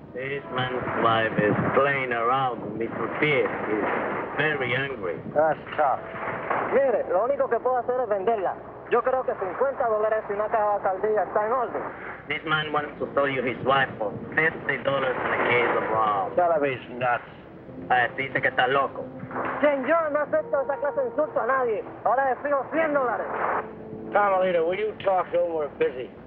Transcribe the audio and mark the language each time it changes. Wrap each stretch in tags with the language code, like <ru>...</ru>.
<en>This man's wife is playing around with Mr. Pierce. He's very angry. That's tough.</en> <es>Mire, lo único que puedo hacer es venderla. Yo creo que $50 y una caja de alcaldía está en orden.</es> <en>This man wants to sell you his wife for $50 in a case of rum. Television nuts.</en> <es>Dice que está loco. Señor, no acepto esa clase de insulto a nadie. Ahora le fijo $100.</es> <en>Carmelita, will you talk to him? We're busy.</en>